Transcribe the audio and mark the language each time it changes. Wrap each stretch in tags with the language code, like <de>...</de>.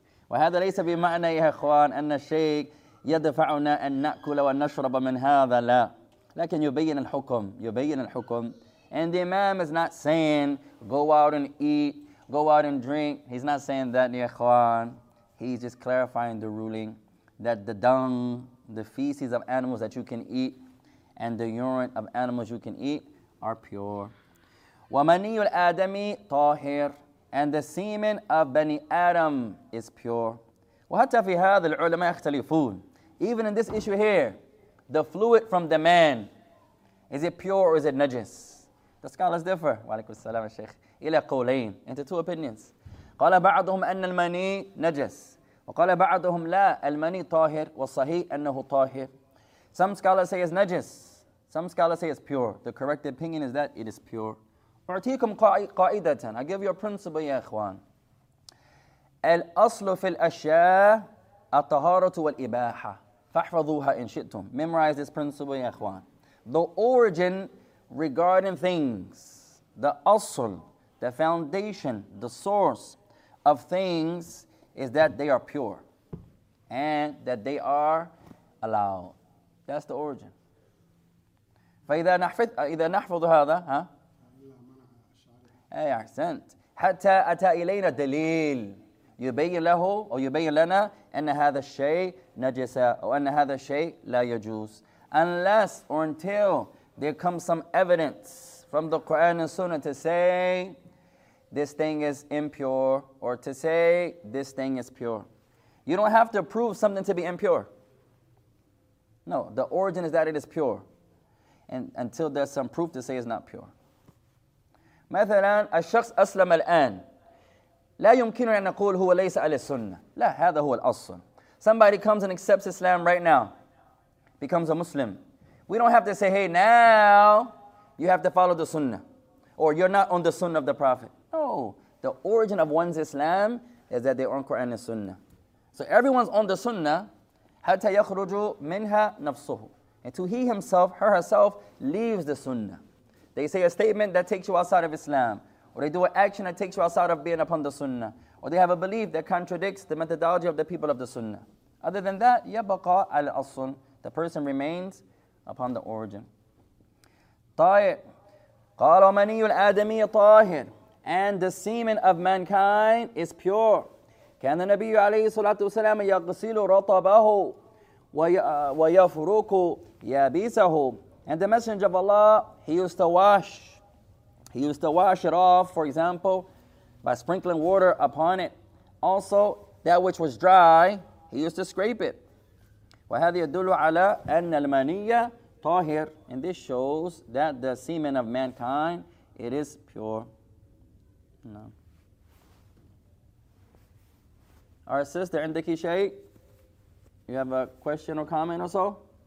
<ar>وهذا ليس بمعنى يا إخوان أن الشيخ يدفعنا أن نأكل ونشرب من هذا لا. لكن يبين الحكم.</ar> <en>And the Imam is not saying go out and eat, go out and drink. He's not saying that,</en> <ar>ya ikhwan.</ar> <en>He's just clarifying the ruling that the dung, the feces of animals that you can eat, and the urine of animals you can eat are pure.</en> <ar>ومني الآدمي طاهر.</ar> <en>And the semen of Bani Adam is pure.</en> <ar>وحتى في هذا العلماء يختلفون.</ar> <en>Even in this issue here, the fluid from the man, is it pure or is it najis? The scholars differ.</en> <ar>وعليكم السلام الشيخ. إلى قولين.</ar> <en>Into two opinions.</en> <ar>قال بعضهم أن المني نجس. وقال بعضهم لا المني طاهر والصحيح أنه طاهر.</ar> <en>Some scholars say it's najis. Some scholars say it's pure. The correct opinion is that it is pure.</en> <ar>أعطيكم قاعدة.</ar> <en>I give you a principle</en> <ar>يا إخوان. الأصل في الأشياء الطهارة والإباحة. فاحفظوها إن شئتم.</ar> <en>Memorize this principle</en> <ar>يا إخوان.</ar> <en>The origin regarding things, the أصل, the foundation, the source of things is that they are pure and that they are allowed. That's the origin.</en> <ar>فإذا نحفظ هذا ها؟ أي أحسنت. حتى أتى إلينا دليل يبين له أو يبين لنا أن هذا الشيء نجس أو أن هذا الشيء لا يجوز.</ar> <en>Unless or until there comes some evidence from the Quran and Sunnah to say this thing is impure or to say this thing is pure. You don't have to prove something to be impure. No, the origin is that it is pure. And until there's some proof to say it's not pure.</en> <ar>مثلا الشخص أسلم الآن لا يمكن أن نقول هو ليس على السنة. لا هذا هو الأصل.</ar> <en>Somebody comes and accepts Islam right now, becomes a Muslim. We don't have to say, hey, now you have to follow the Sunnah or you're not on the Sunnah of the Prophet. No, the origin of one's Islam is that they're on Quran and Sunnah. So everyone's on the Sunnah</en> <ar>حتى يخرج منها نفسه.</ar> <en>Until he himself, her herself, leaves the Sunnah. They say a statement that takes you outside of Islam, or they do an action that takes you outside of being upon the Sunnah, or they have a belief that contradicts the methodology of the people of the Sunnah. Other than that,</en> <ar>يبقى على الأصل.</ar> <en>The person remains upon the origin. طاهر.</en> <ar>قال ومني الآدمي طاهر.</ar> <en>And the semen of mankind is pure.</en> <ar>كان النبي عليه الصلاة والسلام يغسل رطبه ويفرك يابسه.</ar> <en>And the Messenger of Allah, he used to wash it off, for example, by sprinkling water upon it. Also, that which was dry, he used to scrape it.</en> <ar>وهذا يدل على أن المنية طاهر.</ar> <en>And this shows that the semen of mankind, it is pure. No. Our sister,</en> <ar>عندكي شيء?</ar> <en>You have a question or comment or so?</en>